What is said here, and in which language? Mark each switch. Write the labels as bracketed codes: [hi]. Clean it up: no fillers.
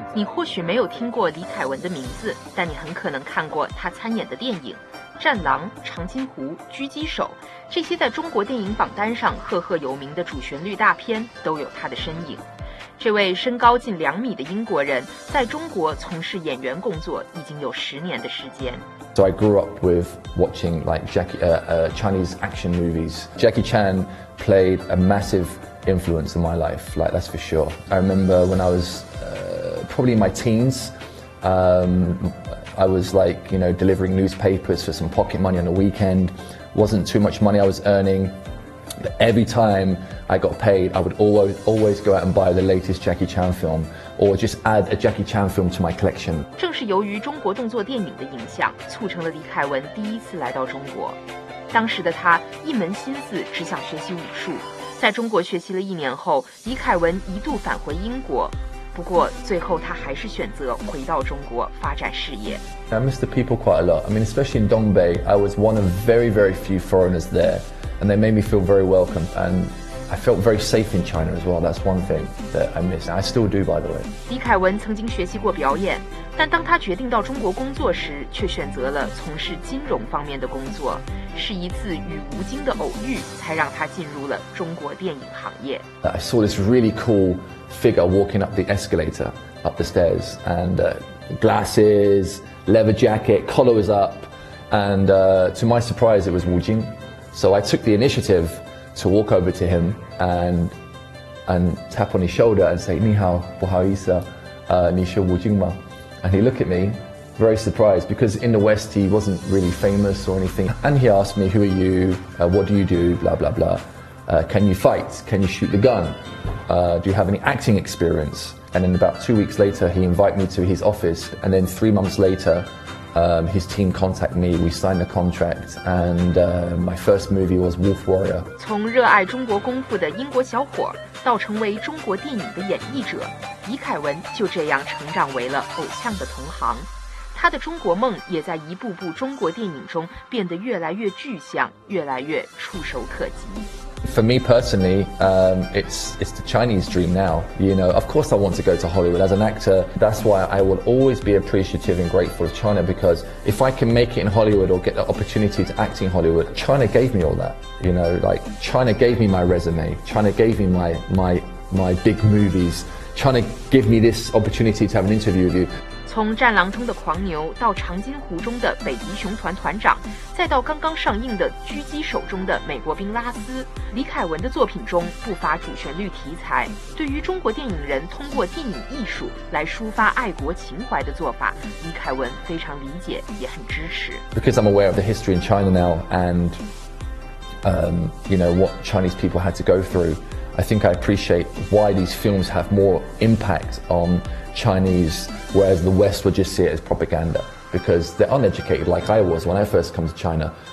[zh] 你或许没有听过李凯文的名字，但你很可能看过他参演的电影《战狼》《长津湖》《狙击手》，这些在中国电影榜单上赫赫有名的主旋律大片都有他的身影。这位身高近2米的英国人在中国从事演员工作已经有10年的时间。 [en] So I grew up with watching like Chinese action movies. Jackie Chan played a massive influence in my life, like that's for sure. I remember when I was probably in my teens, I was like, you know, delivering newspapers for some pocket money on the weekend. Wasn't too much money I was earning. But every time I got paid, I would always go out and buy the latest Jackie Chan film, or just add a Jackie Chan film to my collection. [zh] 正是由于中国动作电影的影响，促成了李凯文第一次来到中国。当时的他一门心思只想学习武术，在中国学习了一年后，李凯文一度返回英国，不过最后他还是选择回到中国发展事业。 [en] I miss the people quite a lot. I mean, especially in Dongbei, I was one of very, very few foreigners there. And they made me feel very welcome, and I felt very safe in China as well. That's one thing that I miss. I still do, by the way. [zh] 李凯文曾经学习过表演，但当他决定到中国工作时，却选择了从事金融方面的工作。是一次与吴京的偶遇，才让他进入了中国电影行业。 [en] I saw this really cool figure walking up the escalator, up the stairs, and glasses, leather jacket, collar was up, and to my surprise, it was Wu Jing. So I took the initiative to walk over to him and tap on his shoulder and say, [zh] 你好，不好意思，你是吴京吗？ [en] And he looked at me, very surprised, because in the West he wasn't really famous or anything. And he asked me, who are you? What do you do? Blah, blah, blah. Can you fight? Can you shoot the gun? Do you have any acting experience? And then about 2 weeks later, he invited me to his office. And then 3 months later,his team contacted me, we signed a contract, and my first movie was Wolf Warrior. [zh] 从热爱中国功夫的英国小伙到成为中国电影的演绎者，李凯文就这样成长为了偶像的同行。他的中国梦也在一部部中国电影中变得越来越具象，越来越触手可及。 [en] For me personally, it's the Chinese dream now. You know, of course I want to go to Hollywood as an actor. That's why I will always be appreciative and grateful of China, because if I can make it in Hollywood or get the opportunity to act in Hollywood, China gave me all that. You know, like China gave me my resume. China gave me my big movies. China gave me this opportunity to have an interview with you. [zh] 从战狼中的狂牛到长津湖中的北极熊团团长，再到刚刚上映的狙击手中的美国兵拉斯，李凯文的作品中不乏主旋律题材，对于中国电影人通过电影艺术来抒发爱国情怀的做法，李凯文非常理解，也很支持。 [en] Because I'm aware of the history in China now and you know what Chinese people had to go through, I think I appreciate why these films have more impact onChinese, whereas the West would just see it as propaganda because they're uneducated, like I was when I first come to China.